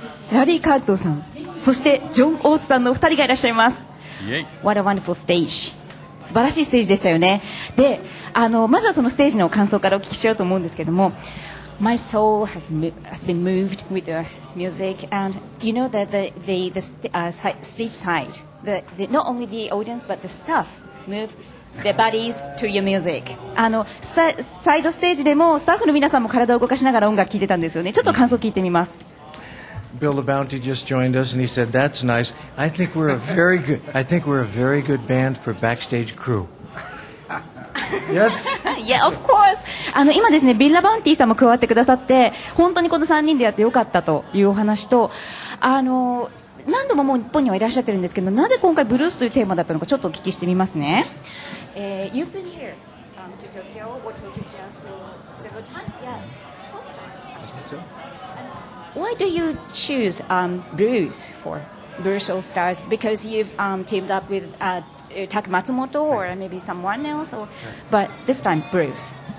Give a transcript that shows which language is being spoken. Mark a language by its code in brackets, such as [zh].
[ja] ラリー・カートさん、そしてジョン・オーツさんのお二人がいらっしゃいます。 [en] What a wonderful stage。 [ja] 素晴らしいステージでしたよね。で、まずはそのステージの感想からお聞きしようと思うんですけども、 [en] My soul has been moved with your music. And you know that the stage side, not only the audience but the staff move their bodies to your music. [ja] サイドステージでもスタッフの皆さんも体を動かしながら音楽聴いてたんですよね。ちょっと感想聞いてみます。 [en] Bill the Bounty just joined us and he said, that's nice. I think we're a very good band for backstage crew. Yes? Yeah, of course. [ja] 今ですね、ビル・ラ・バウンティさんも加わってくださって、本当にこの3人でやってよかったというお話と、何度ももう日本にはいらっしゃってるんですけど、なぜ今回ブルースというテーマだったのかちょっとお聞きしてみますね。 [en] You've been here, to Tokyo or Tokyo Jazz several times, Why do you choose blues for Blues All Stars? Because you've teamed up with Taka Matsumoto or maybe someone else, or, but this time blues.